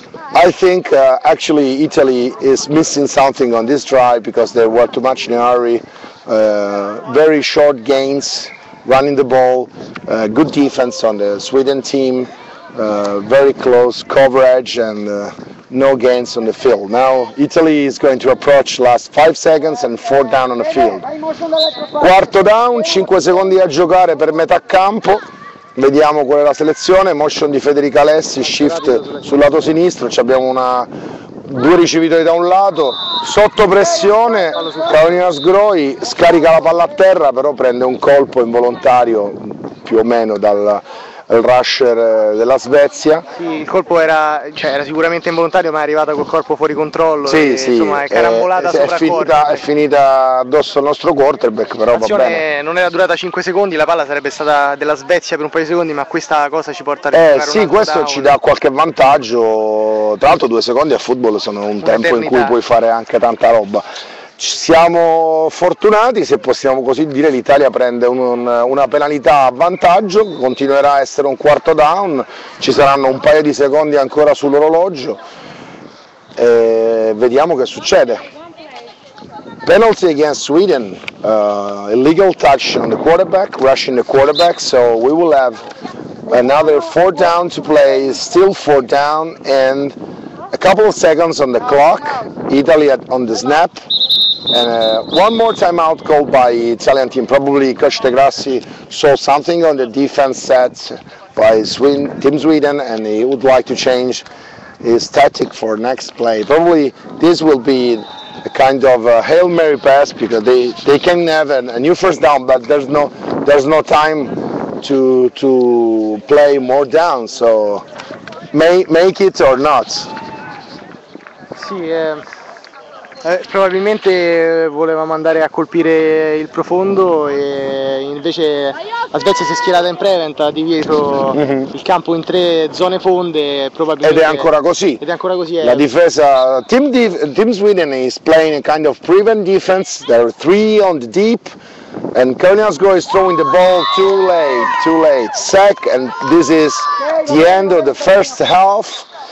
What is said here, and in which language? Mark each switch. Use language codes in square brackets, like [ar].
[en] I think actually Italy is missing something on this drive because they were too much in a hurry. Very short gains, running the ball, good defense on the Sweden team, very close coverage and no gains on the field. Now Italy is going to approach last 5 seconds and four down on the field. [it] Quarto down, 5 secondi a giocare per metà campo. Vediamo qual è la selezione, motion di Federica Alessi, shift sul lato sinistro, ci abbiamo due ricevitori da un lato, sotto pressione, Carolina Sgroi scarica la palla a terra, però prende un colpo involontario più o meno dal rusher della Svezia. Sì, il colpo era sicuramente involontario, ma è arrivata col corpo fuori controllo. Sì, e, sì, insomma, è carambolata sopra. È finita addosso al nostro quarterback, però va bene. Non era durata 5 secondi, la palla sarebbe stata della Svezia per un paio di secondi, ma questa cosa ci porta a recuperare. Sì, questo ci dà qualche vantaggio. Tra l'altro 2 secondi a football sono un tempo in cui puoi fare anche tanta roba. Siamo fortunati, se possiamo così dire, l'Italia prende una penalità a vantaggio, continuerà a essere un quarto down, ci saranno un paio di secondi ancora sull'orologio e vediamo che succede. [en] Penalty against Sweden, illegal touch on the quarterback, rushing the quarterback, so we will have another four down to play, still four down and a couple of seconds on the clock, Italy on the snap. And one more timeout called by Italian team. Probably Coach De Grassi saw something on the defense set by Team Sweden and he would like to change his tactic for next play. Probably this will be a kind of a Hail Mary pass because they can have a new first down, but there's no time to play more down, so make it or not. [it] Probabilmente volevamo andare a colpire il profondo e invece la Svezia si è schierata in prevent, ha diviso il campo in 3 zone fonde probabilmente, ed è ancora così la difesa. [en] Team Sweden is playing a kind of prevent defense, there are 3 on the deep and Karina Sgro is throwing the ball too late sack, and this is the end of the first half.